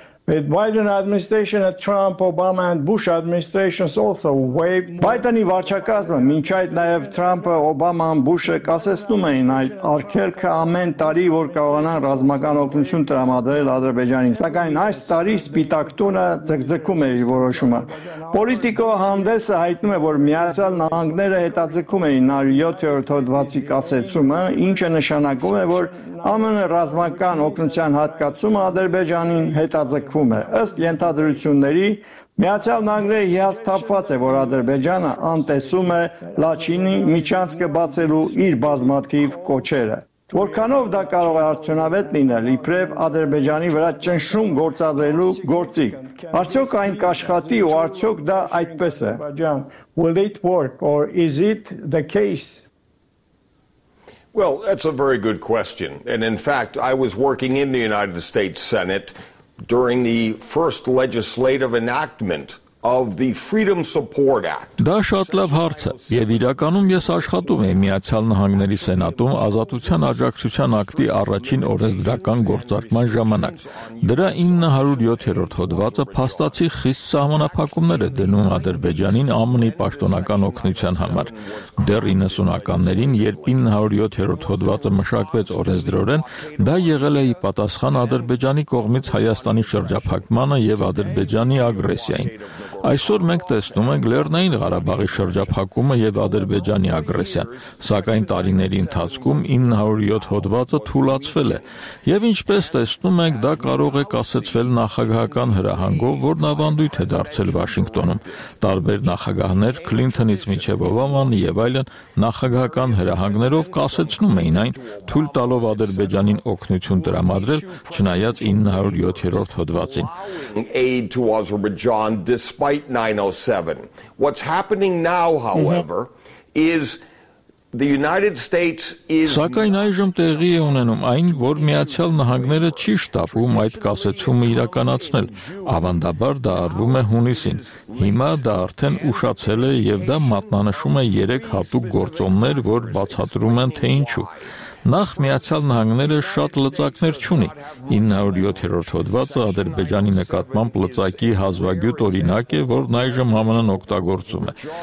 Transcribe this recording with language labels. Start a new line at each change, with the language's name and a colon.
English: With Biden administration and Trump, Obama and Bush administrations also waived.
Armenian: Բայդենի վարչակազմը մինչ այդ նաև Թրամփը, Օբաման, Բուշը կասեցնում էին այդ արգելքը ամեն տարի, որ կարողանան ռազմական օգնություն տրամադրել Ադրբեջանին, սակայն այս տարի Սպիտակ տունը ձգձգում է իր որոշումը։ Պոլիտիկո հանդեսը հայտնում է, որ Միացյալ Նահանգները հետաձգում էին 107-րդ հոդվացի կասեցումը, ինչը նշանակում է, որ ԱՄՆ ռազմական օգնության հատկացումը Ադրբեջանին հետաձգում է։ Ըստ ենթադրությունների, Միացյալ Նահանգները հիասթափված է, որ Ադրբեջանը անտեսում է Լաչինի միջանցքը բացելու իր բազմաթիվ կոչերը։ Որքանով դա կարող է արդյունավետ լինել, իբրև Ադրբեջանի վրա ճնշում գործադրելու գործիք։ Արդյոք այն կաշխատի ու արդյոք դա այդպես է։
English: Will it work or is it the case? Well, that's a very good question. And in fact, I was working in the United States Senate during the first legislative enactment of the Freedom Support Act.
Armenian: Դա շատ լավ հարց է, եւ իրականում ես աշխատում եմ Միացյալ Նահանգների Սենատում Ազատության Աջակցության ակտի առաջին օրենսդրական գործարկման ժամանակ։ Դրա 907-րդ հոդվածը փաստացի խիստ սահմանափակումներ է դնում Ադրբեջանին ԱՄՆ-ի պաշտոնական օգնության համար։ Դեռ 90-ականներին, երբ 907-րդ հոդվածը մշակվեց օրենսդրորեն, դա եղել է պատասխան Ադրբեջանի կողմից Հայաստանի շրջափակմանը եւ Ադրբեջանի ագրեսիային։ Այսօր մենք տեսնում ենք Լեռնային Ղարաբաղի շրջափակումը եւ Ադրբեջանի ագրեսիան, սակայն տարիների ընթացքում 907 հոդվածը թուլացվել է եւ ինչպես տեսնում ենք, դա կարող է կասեցվել նախագահական հրահանգով, որն ավանդույթ է դարձել Վաշինգտոնում։ Տարբեր նախագահներ, Քլինթոնից մինչեւ Օբաման եւ այլն, նախագահական հրահանգներով կասեցնում էին այն, թույլ տալով Ադրբեջանին օգնություն տրամադրել, չնայած 907-րդ հոդվածին։
English: Despite 907. What's happening now, however, is the United States is
Armenian: Սակայն այժմ տեղի է ունենում այն, որ Միացյալ Նահանգները չի շտապում այդ կասեցումը իրականացնել։ Ավանդաբար դա արվում է հունիսին։ Հիմա դա արդեն ուշացել է եւ դա մատնանշում է 3 հատուկ գործոններ, որ բացատրում են թե ինչու։ Նախ Միացյալ Նահանգները շատ լծակներ չունի։ 907-րդ հոդվածը Ադրբեջանի նկատմամբ լծակի հազվագյուտ օրինակ է, որն այժմ ԱՄՆ-ն օգտագործում է։